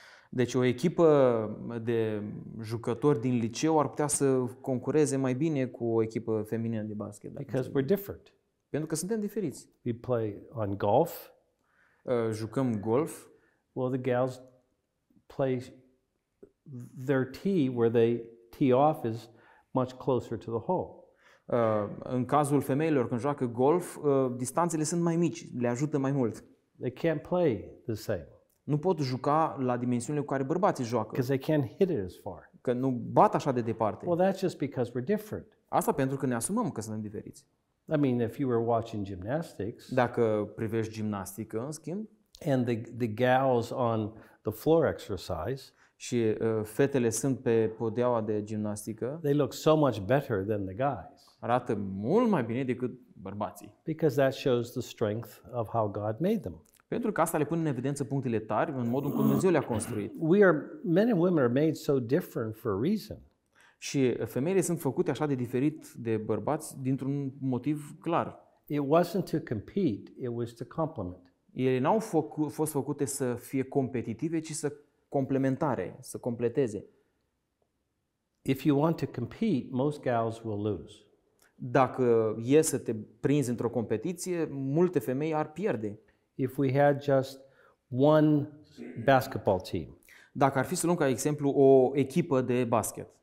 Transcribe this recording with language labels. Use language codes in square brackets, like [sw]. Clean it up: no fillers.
[ro] Deci o echipă de jucători din liceu ar putea să concureze mai bine cu o echipă feminină de basket. [en] Because we're different. [ro] Pentru că suntem diferiți. [en] We play on golf. [ro] Jucăm golf. [en] Well, the gals play their tee where they tee off is much closer to the hole. [ro] În cazul femeilor când joacă golf, distanțele sunt mai mici, le ajută mai mult. [en] They can't play the same. [ro] Nu pot juca la dimensiunile cu care bărbații joacă. [en] Because they can't hit it as far. [ro] Că nu bat așa de departe. [en] Well, that's just because we're different. [ro] Asta pentru că ne asumăm că suntem diferiți. [en] I mean, if you were watching gymnastics. [ro] Dacă privești gimnastică, în schimb, [en] and the gals on the floor exercise, [ro] și fetele sunt pe podeaua de gimnastică, [en] they look so much better than the guys. [ro] Arată mult mai bine decât bărbații. [en] Because that shows the strength of how God made them. [ro] Pentru că asta le pune în evidență punctele tari în modul în cum Dumnezeu le-a construit. [en] We are, men and women are made so different for a reason. [ro] Și femeile sunt făcute așa de diferit de bărbați dintr-un motiv clar. [en] It wasn't to compete, it was to complement. [ro] Ele n-au fost făcute să fie competitive, ci să complementare, să completeze. [en] If you want to compete, most gals will lose. [ro] Dacă e să te prinzi într-o competiție, multe femei ar pierde. [en] If we had just one basketball team. [ro] Dacă ar fi să luăm ca exemplu o echipă de basket.